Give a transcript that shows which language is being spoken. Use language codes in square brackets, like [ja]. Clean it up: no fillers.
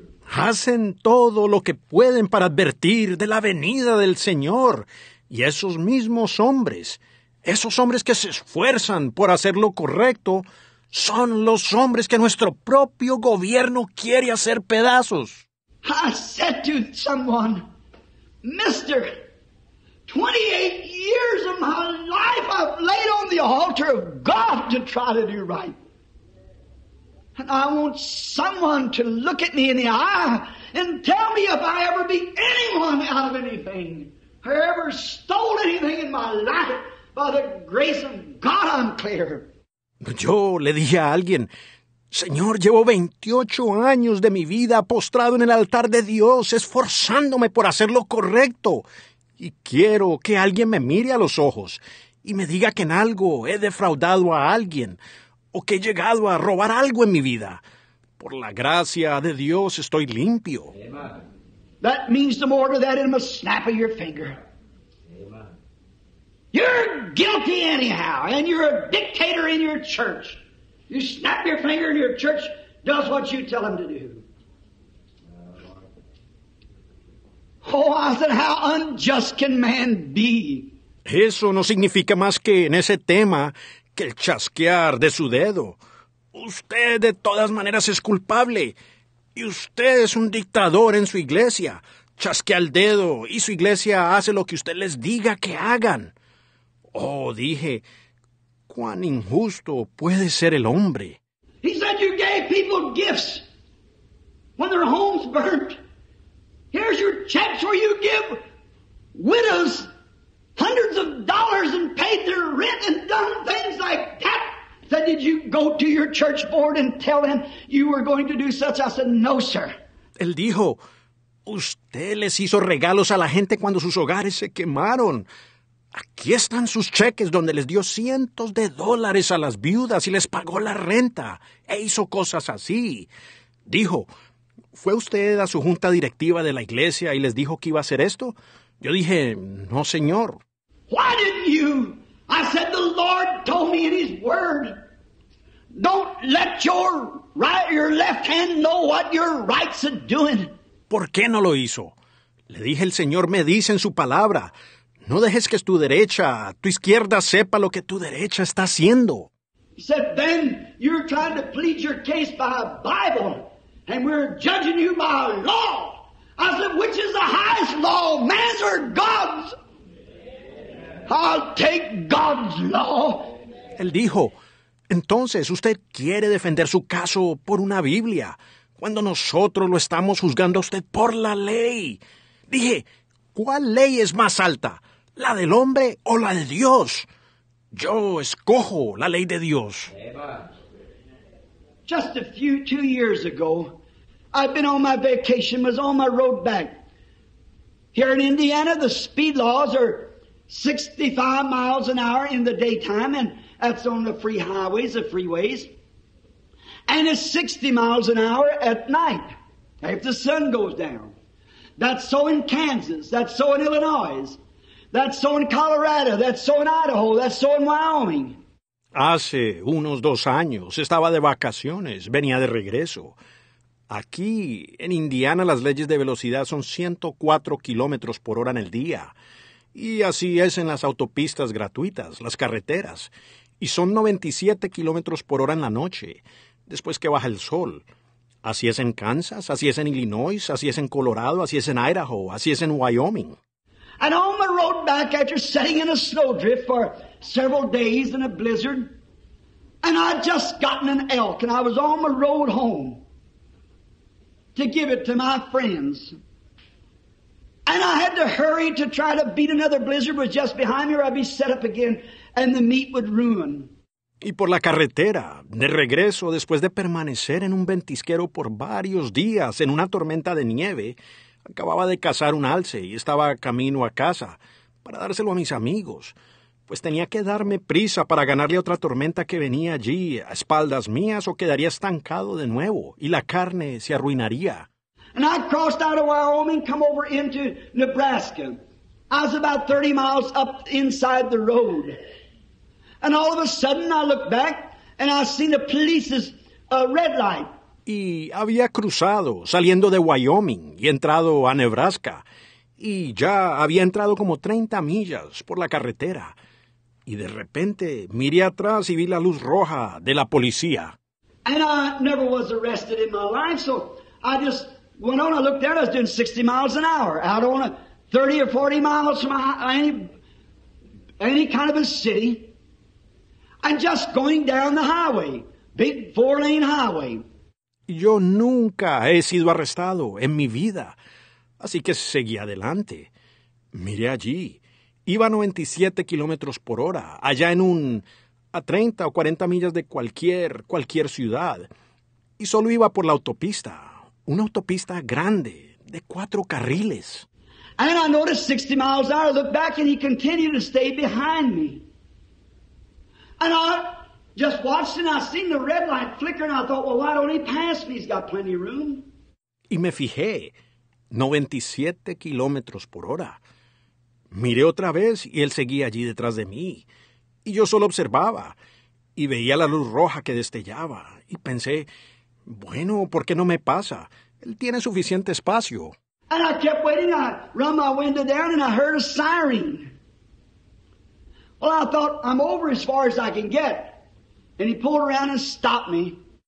[es] Hacen todo lo que pueden para advertir de la venida del Señor. Y esos mismos hombres que se esfuerzan por hacer lo correcto, son los hombres que nuestro propio gobierno quiere hacer pedazos. [en] I said to someone, Mister, 28 years of my life I've laid on the altar of God to try to do right. And I want someone to look at me in the eye and tell me if I ever beat anyone out of anything or ever stole anything in my life. By the grace of God, I'm clear. [es] Yo le dije a alguien, Señor, llevo 28 años de mi vida postrado en el altar de Dios, esforzándome por hacer lo correcto. Y quiero que alguien me mire a los ojos y me diga que en algo he defraudado a alguien o que he llegado a robar algo en mi vida. Por la gracia de Dios estoy limpio. [en] Amen. That means the more to that in a snap of your finger. Amen. You're guilty anyhow, and you're a dictator in your church. You snap your finger and your church does what you tell them to do. Oh, I said, how unjust can man be? [es] Eso no significa más que en ese tema que el chasquear de su dedo. Usted de todas maneras es culpable. Y usted es un dictador en su iglesia. Chasquea el dedo y su iglesia hace lo que usted les diga que hagan. Oh, dije, ¿cuán injusto puede ser el hombre? [en] He said you gave people gifts when their homes burnt. Here's your checks where you give widows hundreds of dollars and paid their rent and done things like that. Said, did you go to your church board and tell them you were going to do such? I said, no, sir. [es] Él dijo, usted les hizo regalos a la gente cuando sus hogares se quemaron. Aquí están sus cheques donde les dio cientos de dólares a las viudas y les pagó la renta e hizo cosas así. Dijo, ¿fue usted a su junta directiva de la iglesia y les dijo que iba a hacer esto? Yo dije, no, señor. [en] Why didn't you? I said, the Lord told me in His Word. Don't let your Right, your left hand know what your right's doing. [es] ¿Por qué no lo hizo? Le dije, el Señor me dice en su palabra, no dejes que es tu derecha, tu izquierda sepa lo que tu derecha está haciendo. [en] He said, then you're trying to plead your case by a Bible, and we're judging you by a law. I said, which is the highest law, man's or God's? I'll take God's law. [es] Él dijo, entonces usted quiere defender su caso por una Biblia, cuando nosotros lo estamos juzgando a usted por la ley. Dije, ¿cuál ley es más alta, la del hombre o la de Dios? Yo escojo la ley de Dios. [en] Just a few, 2 years ago, I'd been on my vacation, was on my road back. Here in Indiana, the speed laws are 65 miles an hour in the daytime, and that's on the free highways, the freeways. And it's 60 miles an hour at night, if the sun goes down. That's so in Kansas, that's so in Illinois. That's so in Colorado, that's so in Idaho, that's so in Wyoming. [es] Hace unos 2 años estaba de vacaciones, venía de regreso. Aquí, en Indiana, las leyes de velocidad son 104 kilómetros por hora en el día. Y así es en las autopistas gratuitas, las carreteras. Y son 97 kilómetros por hora en la noche, después que baja el sol. Así es en Kansas, así es en Illinois, así es en Colorado, así es en Idaho, así es en Wyoming. [en] And on the road back after sitting in a snowdrift for several days in a blizzard, and I'd just gotten an elk, and I was on the road home to give it to my friends. And I had to hurry to try to beat another blizzard, was just behind me, or I'd be set up again, and the meat would ruin. [es] Y por la carretera, de regreso, después de permanecer en un ventisquero por varios días en una tormenta de nieve, acababa de cazar un alce y estaba camino a casa para dárselo a mis amigos, pues tenía que darme prisa para ganarle otra tormenta que venía allí a espaldas mías o quedaría estancado de nuevo y la carne se arruinaría. [en] And I crossed out of Wyoming, come over into Nebraska. I was about 30 miles up inside the road. And all of a sudden I looked back and I seen the police's red light. [es] Y había cruzado, saliendo de Wyoming y entrado a Nebraska. Y ya había entrado como 30 millas por la carretera. Y de repente miré atrás y vi la luz roja de la policía. [en] And I never was arrested in my life, so I just went on. I looked down, I was doing 60 miles an hour, out on a 30 or 40 miles from any kind of a city. And just going down the highway, big four-lane highway. [es] Yo nunca he sido arrestado en mi vida, así que seguí adelante. Miré allí, iba a 97 kilómetros por hora, allá en un... a 30 o 40 millas de cualquier ciudad, y solo iba por la autopista, una autopista grande, de 4 carriles. [en] And I noticed 60 miles an hour, I looked back and he continued to stay behind me. And I... just watched and I seen the red light flicker and I thought, well, why don't he pass me? He's got plenty of room. [es] Y me fijé, 97 kilómetros por hora. Miré otra vez y él seguía allí detrás de mí. Y yo solo observaba y veía la luz roja que destellaba. Y pensé, bueno, ¿por qué no me pasa? Él tiene suficiente espacio. [en] And I kept waiting. I run my window down and I heard a siren. Well, I thought, I'm over as far as I can get. And he pulled around and stopped me.